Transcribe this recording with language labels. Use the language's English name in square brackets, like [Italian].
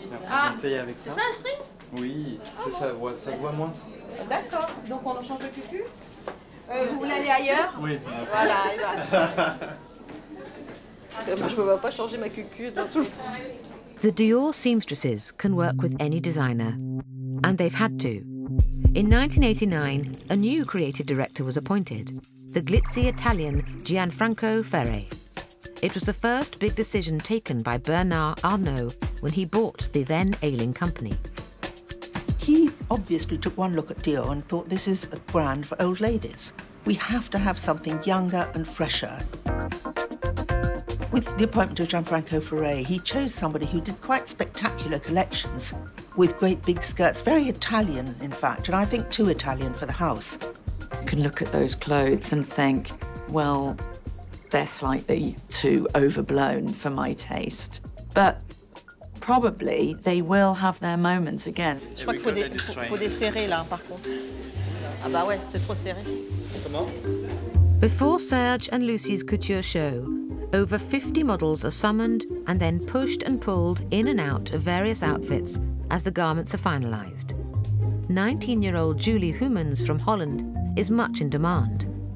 [French] Ah, essayez avec c'est ça. C'est ça un string? Oui, c'est ça, voit, ça voit moins. D'accord, donc on change de cucu. Vous voulez aller ailleurs? Oui. Voilà, il va. Moi, je ne peux pas changer ma cucu dans tout le temps. [English] The Dior seamstresses can work with any designer, and they've had to. In 1989, a new creative director was appointed, the glitzy Italian Gianfranco Ferre. It was the first big decision taken by Bernard Arnault when he bought the then ailing company. He obviously took one look at Dior and thought, this is a brand for old ladies. We have to have something younger and fresher. With the appointment of Gianfranco Ferre, he chose somebody who did quite spectacular collections with great big skirts, very Italian, in fact, and I think too Italian for the house. You can look at those clothes and think, well, they're slightly too overblown for my taste. But probably they will have their moment again. [French] Je crois qu'il faut desserrer, là, par contre. Ah bah ouais, c'est trop serré. Comment? [English] Before Serge and Lucy's couture show, over 50 models are summoned and then pushed and pulled in and out of various outfits as the garments are finalized. 19-year-old Julie Humans from Holland is much in demand.